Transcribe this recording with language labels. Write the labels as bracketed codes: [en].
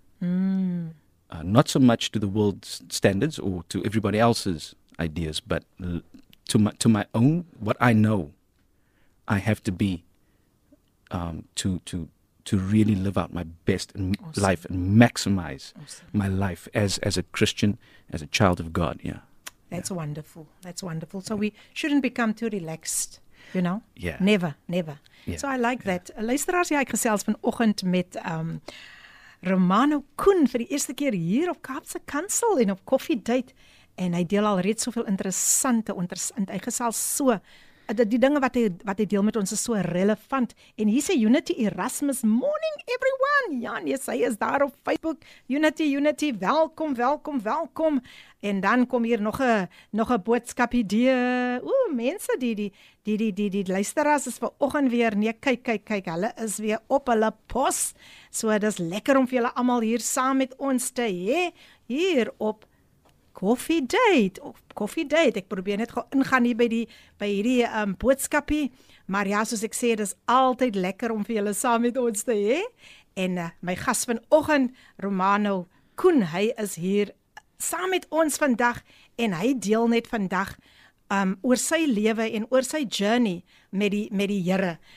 [en] Not so much to the world's standards or to everybody else's ideas, but to my own, what I know I have to be to really live out my best life and maximize my life as a Christian, as a child of God. Yeah. That's wonderful. That's wonderful. So we shouldn't become too relaxed, you know? Yeah. Never, never. Yeah. So I like that. [af] Luisteraars, jy gesels vanoggend met Romano Koen vir die eerste keer hier op Kaapse Kansel en op Coffee Date. En hy deel al reeds soveel interessante, hy gesels so, die dinge wat hy deel met ons is so relevant. En hier sê Unity Erasmus, [en] morning everyone! [af] Ja, nee, sy is daar op Facebook. Unity, welkom, welkom, welkom. En dan kom hier nog een boodskap idee. Oeh, mense, die luisteraars is vir oggend weer. Nee, kyk, hulle is weer op hulle pos. So, dit is lekker om vir julle allemaal hier saam met ons te hier op Coffee Date, ek probeer net gaan ingaan hier by hierdie boodskapie, maar ja, soos ek sê, dit is altyd lekker om vir julle saam met ons te hê, en my gas vanoggend, Romano Koen, hy is hier saam met ons vandag, en hy deel net vandag oor sy lewe en oor sy journey met die Here.